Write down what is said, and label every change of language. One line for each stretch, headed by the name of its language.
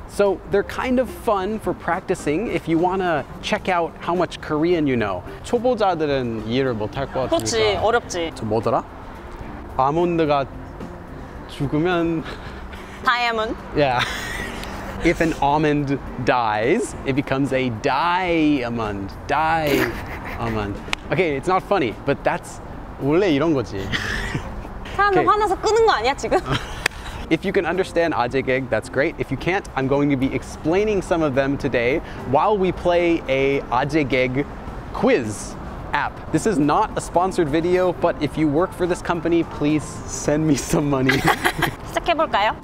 English: So they're kind of fun for practicing if you want to check out how much Korean you know.
Korean: 초보자들은 이해를 못할 것 같으니까. 그렇지, 어렵지. 저 뭐더라? 아몬드가 죽으면...
English: Diamond. Yeah. If an almond dies, it becomes a diamond. Diamond. Okay, it's not funny, but that's
Korean: 원래 이런 거지. 사람들 화나서 끄는 거 아니야, 지금?
English: If you can understand
Korean: 아재 개그,
English: that's great. If you can't, I'm going to be explaining some of them today while we play a 아재 개그 quiz app. This is not a sponsored video, but if you work for this company, please send me some money.
Korean: 시작해볼까요?